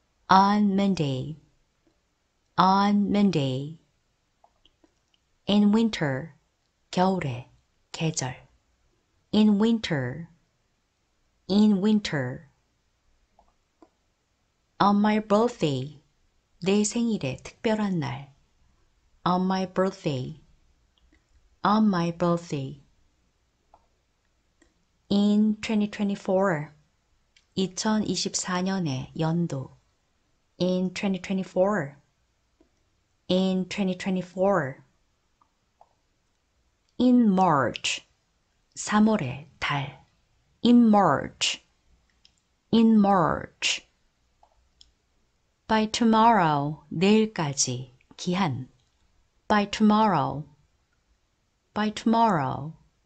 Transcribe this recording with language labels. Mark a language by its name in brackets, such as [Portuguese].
[English] On Monday. On Monday. In winter, [Korean] 겨울에, 계절. [English] In winter, in winter. On my birthday, [Korean] 내 생일에 특별한 날. [English] On my birthday, on my birthday. In 2024, [Korean] 2024년에 연도. [English] In 2024. In 2024, in March, [Korean] 3월에 달. [English] In March, in March. By tomorrow, [Korean] 내일까지 기한. [English] By tomorrow, by tomorrow.